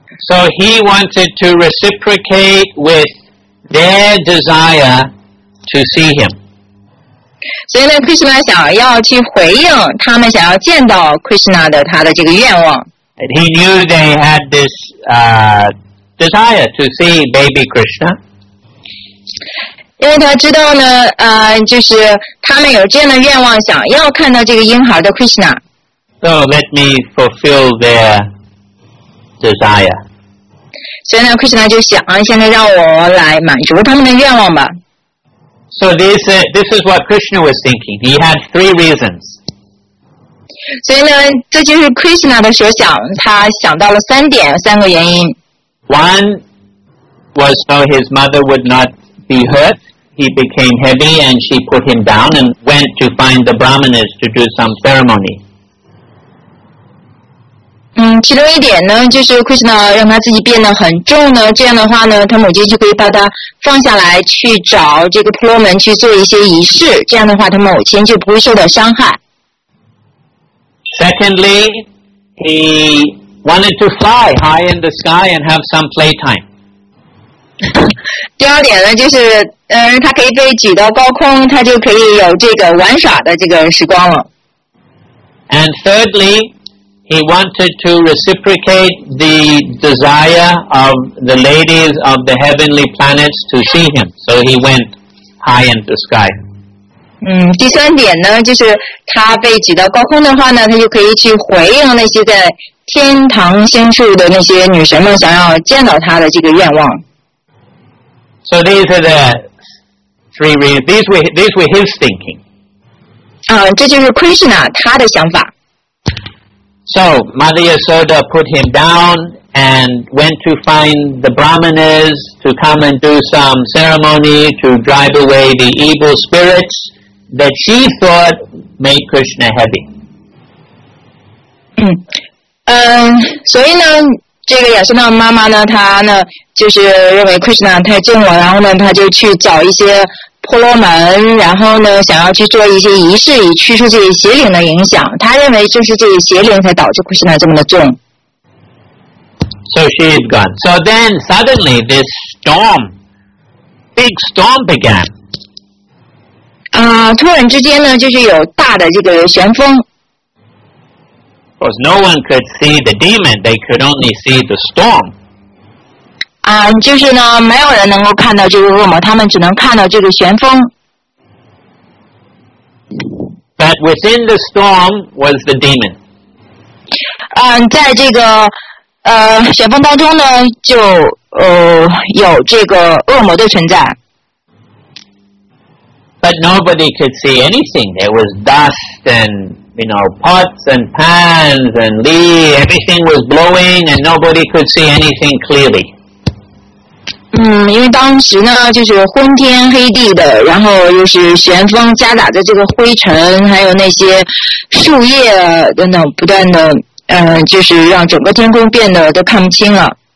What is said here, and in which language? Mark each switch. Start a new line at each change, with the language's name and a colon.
English: So he wanted to reciprocate with their desire to see him.
Chinese: 所以呢 ，Krishna 想要去回应他们想要见到 Krishna 的他的这个愿望。
English: He knew they had this desire to see baby Krishna.
Chinese: 因为他知道呢，就是他们有这样的愿望，想要看到这个婴孩的 Krishna.
English: So let me fulfill their desire.
Chinese: 所以呢 ，Krishna 就想，现在让我来满足他们的愿望吧。
English: So this is what Krishna was thinking. He had three reasons.
Chinese: 所以呢，这就是 Krishna 的所想。他想到了三点，三个原因。
English: One was so his mother would not be hurt. He became heavy and she put him down and went to find the brahmanas to do some ceremony.
Chinese: 其中一点呢，就是 Krishna 让他自己变得很重呢，这样的话呢，他母亲就可以把他放下来去找这个婆罗门去做一些仪式，这样的话他母亲就不会受到伤害。
English: Secondly, he wanted to fly high in the sky and have some playtime.
Chinese: 第二点呢，就是他可以被举到高空，他就可以有这个玩耍的这个时光了。
English: And thirdly,He wanted to reciprocate the desire of the ladies of the heavenly planets to see him. So he went high in the sky.
Chinese: 第三点呢，就是他被举到高空的话呢，他就可以去回应那些在天堂深处的那些女神们想要见到他的这个愿望。
English: So these are the three reasons. These were his thinking.
Chinese: 这就是 Krishna 他的想法。
English: So, Mother Yasoda put him down and went to find the brahmanas to come and do some ceremony to drive away the evil spirits that she thought made Krishna heavy.
Chinese: 所以呢，这个亚瑟娜妈妈呢，她呢就是认为 Krishna 太重了，然后呢，她就去找一些婆罗门，然后呢，想要去做一些仪式，以驱除这些邪灵的影响。他认为就是这些邪灵才导致库什纳这么的重。
English: So she is gone. So then suddenly this storm, big storm began.
Chinese: 突然之间呢，就是有大的这个旋风。
English: Because no one could see the demon, they could only see the storm.
Chinese: 就是呢，没有人能够看到这个恶魔，他们只能看到这个旋风。
English: But within the storm was the demon.
Chinese: 在这个旋风当中呢，就有这个恶魔的存在。
English: But nobody could see anything. There was dust and, you know, pots and pans and leaves. Everything was blowing and nobody could see anything clearly.
Chinese: 因为当时呢，就是昏天黑地的，然后又是旋风夹杂着这个灰尘，还有那些树叶等等，不断的，就是让整个天空变得都看不清了。